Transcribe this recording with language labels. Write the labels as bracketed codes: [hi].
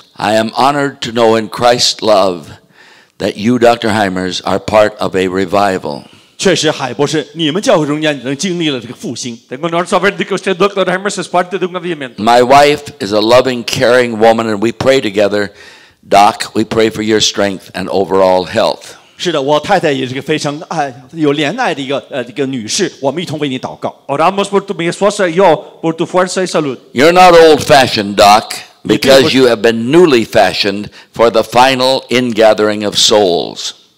[en] I am honored to know in Christ's love that you, Dr. Hymers, are part of a revival. [zh] 确实，海博士，你们教会中间已经经历了这个复兴。 Tengo [es] honor saber que usted, Dr. Hymers, es parte de un avivamiento. [en] My wife is a loving, caring woman, and we pray together. Doc, we pray for your strength and overall health. [zh] 是的，我太太也是个非常有怜爱的一个女士，我们一同为你祷告。 Oramos [es] por tu mi esposa y yo por tu fuerza y salud. [en] You're not old-fashioned, Doc, because you have been newly fashioned for the final ingathering of souls.